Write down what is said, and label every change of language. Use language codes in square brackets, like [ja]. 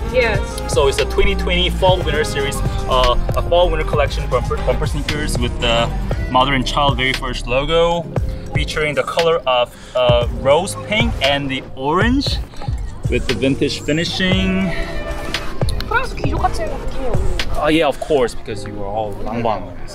[en] Yes. So it's a 2020 fall winter series, a fall winter collection for bumper sneakers with the mother and child very first logo, featuring the color of rose pink and the orange with the vintage finishing. [ko] 프랑스 귀족 같은 느낌이에요. [en] Yeah, of course, because you were all 랑방.